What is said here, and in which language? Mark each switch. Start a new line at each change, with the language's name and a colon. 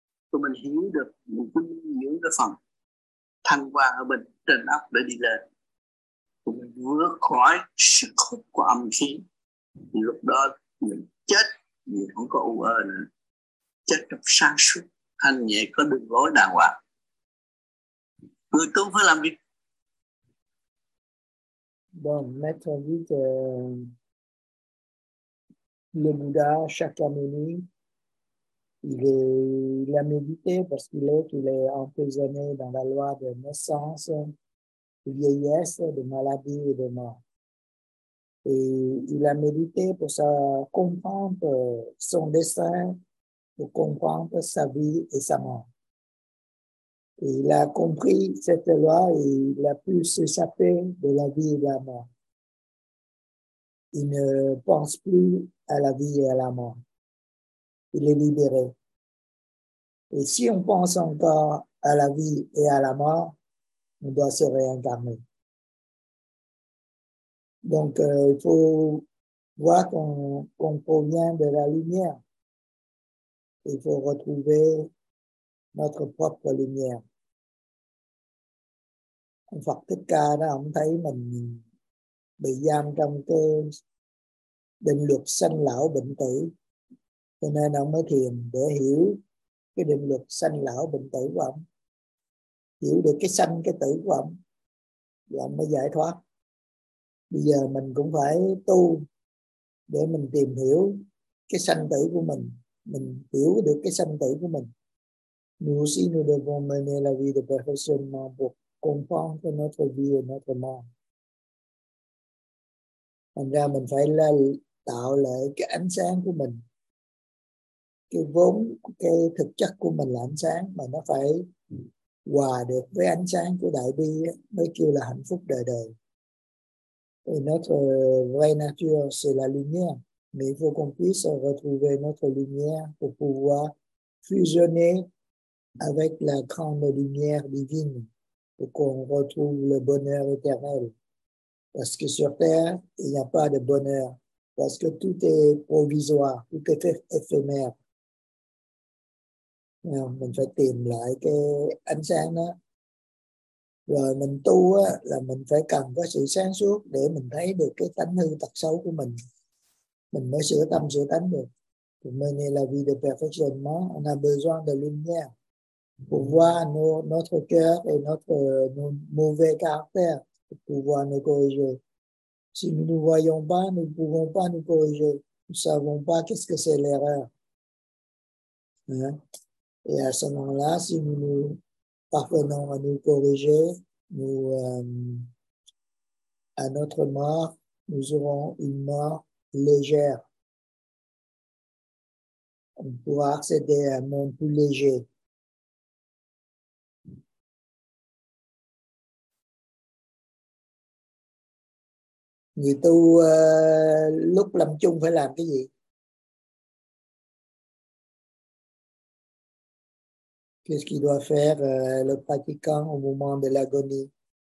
Vietnamese: Tụi mình hiểu được, mình cứ giữ cái phần thanh quan ở bên trên óc để đi lên. Tụi mình vượt khỏi sức hút của âm khí. Lúc đó mình chết, mình không có u ơ nữa. Chết trong sáng suốt, thanh nhẹ có đường lối đàng hoàng. Người tu phải làm việc.
French: Bon, Maître Vite, le Bouddha, Shakyamuni, il a médité parce qu'il est, il est emprisonné dans la loi de naissance, de vieillesse, de maladie et de mort. Et il a médité pour comprendre son destin, pour comprendre sa vie et sa mort. Et il a compris cette loi et il a pu s'échapper de la vie et de la mort. Il ne pense plus à la vie et à la mort. Il est libéré. Et si on pense encore à la vie et à la mort, on doit se réincarner. Donc, il faut voir qu'on provient de la lumière. Il faut retrouver notre propre lumière.
Vietnamese: Ông Phật Thích Ca đó, ông thấy mình bị giam trong cái định luật sanh lão bệnh tử. Cho nên ông mới thiền để hiểu cái định luật sanh lão bệnh tử của ông. Hiểu được cái sanh cái tử của ông. Và ông mới giải thoát. Bây giờ mình cũng phải tu để mình tìm hiểu cái sanh tử của mình. Mình hiểu được cái sanh tử của mình.
French: Nous aussi nous devons mener la vie de perfection en bout. Comprendre notre vie et notre mort.
Vietnamese: Thành ra mình phải tạo lại cái ánh sáng của mình. Cái vốn, cái thực chất của mình là ánh sáng, mà nó phải hòa được với ánh sáng của Đại Bi mới kêu là hạnh phúc đời đời.
French: Et notre vraie nature, c'est la lumière. Mais il faut qu'on puisse retrouver notre lumière pour pouvoir fusionner avec la grande lumière divine. Pour qu'on retrouve le bonheur éternel. Parce que sur Terre, il n'y a pas de bonheur. Parce que tout est provisoire, tout est éphémère.
Vietnamese: Alors, mình phải tìm lại cái ánh sáng đó. Rồi mình tu á, là mình phải cần có sự sáng suốt để mình thấy được cái tánh hư tật xấu của mình. Mình mới sửa tâm sửa tánh được.
French: Pour mener la vie de perfectionnement, on a besoin de lumière. Pour voir notre cœur et notre mauvais caractère, pour pouvoir nous corriger. Si nous ne nous voyons pas, nous ne pouvons pas nous corriger. Nous ne savons pas qu'est-ce que c'est l'erreur. Hein? Et à ce moment-là, si nous nous parvenons à nous corriger, nous, à notre mort, nous aurons une mort légère. On pourra accéder à un monde plus léger.
Vietnamese: Vậy tu lúc làm chung phải làm cái gì?
French: Qu'est-ce qu'il doit faire le pratiquant au moment de l'agonie?